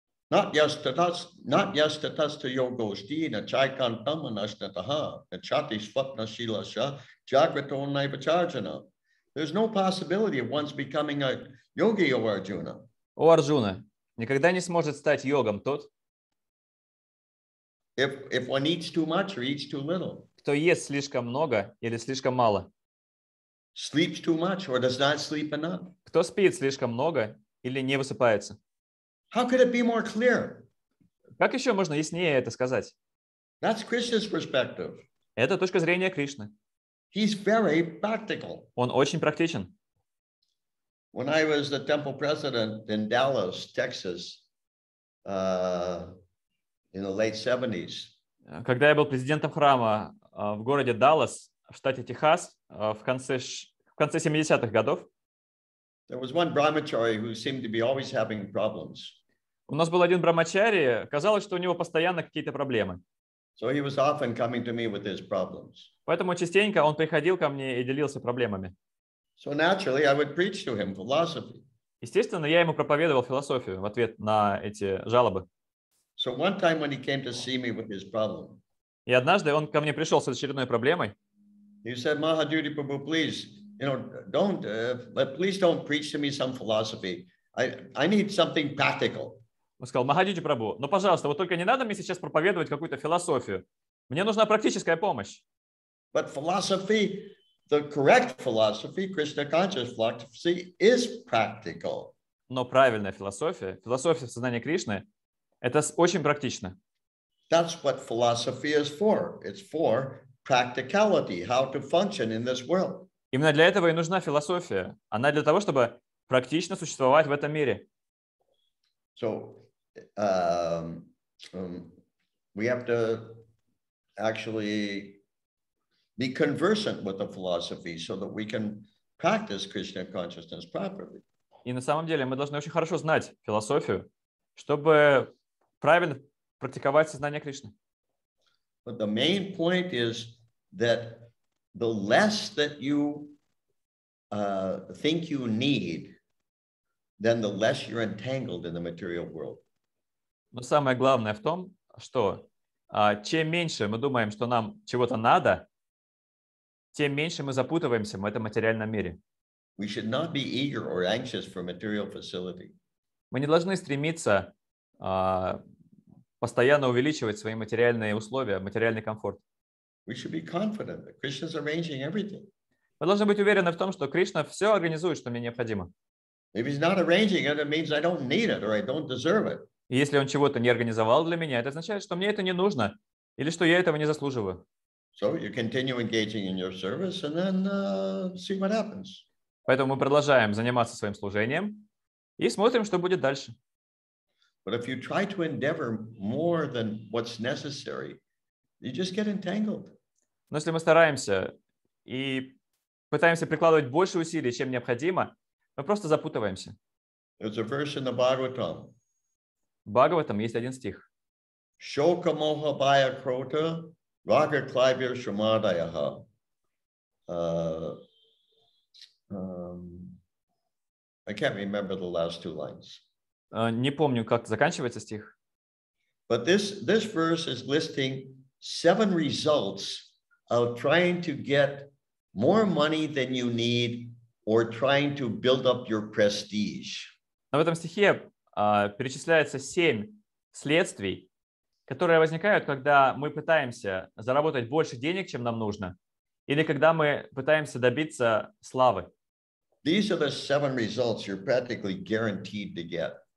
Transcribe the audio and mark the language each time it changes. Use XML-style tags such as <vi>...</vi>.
<sa>Not yastatastha yogoshti na chaikantam anashnataha na chati svapna shilasha jagrato naivacharjana.</sa> <en>There's no possibility of one's becoming a yogi, O Arjuna.</en> <ru>О, Арджуна, никогда не сможет стать йогом тот,</ru> <en>if one eats too much or eats too little.</en> <ru>Кто ест слишком много или слишком мало.</ru> <en>Sleeps too much or does not sleep enough.</en> <ru>Кто спит слишком много или не высыпается.</ru> <en>How could it be more clear?</en> <ru>Как еще можно яснее это сказать?</ru> <en>That's Krishna's perspective.</en> <ru>Это точка зрения Кришны.</ru> <en>He's very practical.</en> <ru>Он очень практичен.</ru> <en>When I was the temple president in Dallas, Texas, in the late 70s.</en> <ru>Когда я был президентом храма в городе Даллас, в штате Техас, в конце 70-х годов.</ru> <en>There was one brahmachari who seemed to be always having problems.</en> <ru>У нас был один брахмачари, казалось, что у него постоянно какие-то проблемы.</ru> <en>So he was often coming to me with his problems.</en> <ru>Поэтому частенько он приходил ко мне и делился проблемами.</ru> <en>So naturally I would preach to him philosophy.</en> <ru>Естественно, я ему проповедовал философию в ответ на эти жалобы.</ru> <en>So one time when he came to see me with his problem.</en> <ru>И однажды он ко мне пришел с очередной проблемой.</ru> <en>He said, Mahadevi Prabhu, please, you know, don't preach to me some philosophy. I need something practical.</en> <ru>Он сказал, Махадиджи Прабху, ну, пожалуйста, вот только не надо мне сейчас проповедовать какую-то философию. Мне нужна практическая помощь.</ru> <en>But philosophy, the correct philosophy, Krishna conscious philosophy, is practical.</en> <ru>Но правильная философия, философия сознания Кришны, это очень практично.</ru> <en>That's what philosophy is for. It's for practicality, how to function in this world.</en> <ru>Именно для этого и нужна философия. Она для того, чтобы практично существовать в этом мире.</ru> <en>So, we have to actually be conversant with the philosophy so that we can practice Krishna consciousness properly.</en> <ru>И на самом деле мы должны очень хорошо знать философию, чтобы правильно практиковать сознание Кришны.</ru> <en>But the main point is that the less that you think you need, then the less you're entangled in the material world.</en> <ru>Но самое главное в том, что чем меньше мы думаем, что нам чего-то надо, тем меньше мы запутываемся в этом материальном мире.</ru> <en>We should not be eager or anxious for material facility.</en> <ru>Мы не должны стремиться постоянно увеличивать свои материальные условия, материальный комфорт.</ru> <en>We should be confident that Krishna's arranging everything.</en> <ru>Мы должны быть уверены в том, что Кришна все организует, что мне необходимо.</ru> <en>If he's not arranging it, it means I don't need it or I don't deserve it.</en> <ru>И если он чего-то не организовал для меня, это означает, что мне это не нужно или что я этого не заслуживаю.</ru> <en>So you continue engaging in your service and then see what happens.</en> <ru>Поэтому мы продолжаем заниматься своим служением и смотрим, что будет дальше.</ru> <en>But if you try to endeavor more than what's necessary, you just get entangled.</en> <ru>Но если мы стараемся и пытаемся прикладывать больше усилий, чем необходимо, мы просто запутываемся.</ru> <en>There's a verse in the Bhagavatam.</en> <ru>В Бхагаватам есть один стих.</ru> <sa>Шока моха бая крота рага клайбир шумадаяха.</sa> <en>I can't remember the last two lines.</en> <ru>Не помню, как заканчивается стих.</ru> <en>But this verse is listing seven results of trying to get more money than you need or trying to build up your prestige.</en> <ru>Но в этом стихе перечисляется семь следствий, которые возникают, когда мы пытаемся заработать больше денег, чем нам нужно, или когда мы пытаемся добиться славы.</ru> <en>These are the seven results you're practically guaranteed to get.</en>